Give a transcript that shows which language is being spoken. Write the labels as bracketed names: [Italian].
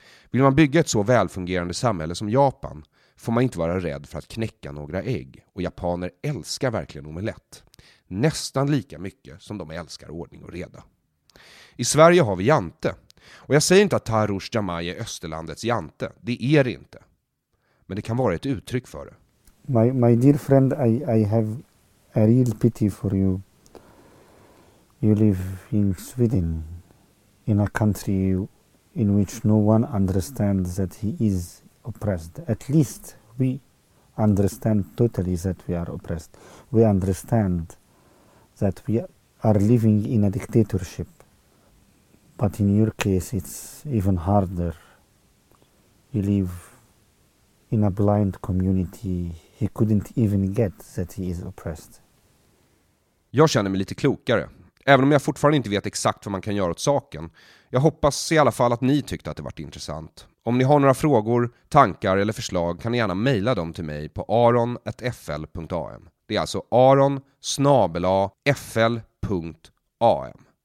[Swedish] Vill man bygga ett så välfungerande samhälle som Japan får man inte vara rädd för att knäcka några ägg. Och japaner älskar verkligen omelett. Nästan lika mycket som de älskar ordning och reda. I Sverige har vi jante. Och jag säger inte att Taharrush Jamai är österlandets jante. Det är det inte. Men det kan vara ett uttryck för det. [English] My dear friend, I have a real pity for you. You live in Sweden, in a country in which no one understands that he is oppressed. At least we understand totally that we are oppressed. We understand that we are living in a dictatorship. But in your case, it's even harder. You live in a blind community. He couldn't even get that he is oppressed. [Swedish] Jag känner mig lite klokare. Även om jag fortfarande inte vet exakt vad man kan göra åt saken. Jag hoppas i alla fall att ni tyckte att det varit intressant. Om ni har några frågor, tankar eller förslag kan ni gärna mejla dem till mig på aron@fl.am. Det är alltså aron@fl.am.